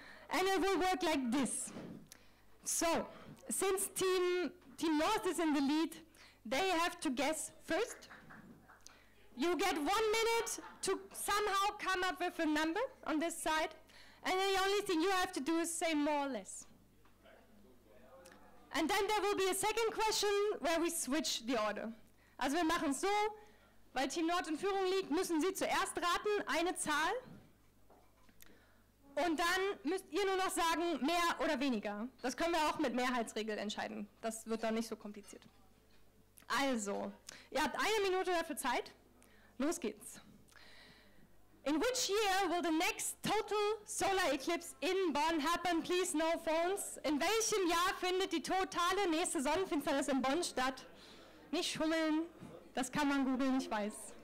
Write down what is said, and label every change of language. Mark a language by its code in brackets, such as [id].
[en] And it will work like this. So, since Team North is in the lead, they have to guess first. You get 1 minute to somehow come up with a number on this side. And the only thing you have to do is say more or less. And then there will be a second question where we switch the order. [de] Also wir machen es so, weil Team Nord in Führung liegt, müssen Sie zuerst raten, eine Zahl. Und dann müsst ihr nur noch sagen, mehr oder weniger. Das können wir auch mit Mehrheitsregel entscheiden. Das wird dann nicht so kompliziert. Also, ihr habt eine Minute dafür Zeit. Los geht's. [en] In which year will the next total solar eclipse in Bonn happen? Please, no phones. [de] In welchem Jahr findet die totale nächste Sonnenfinsternis in Bonn statt? Nicht schummeln, das kann man googeln, ich weiß.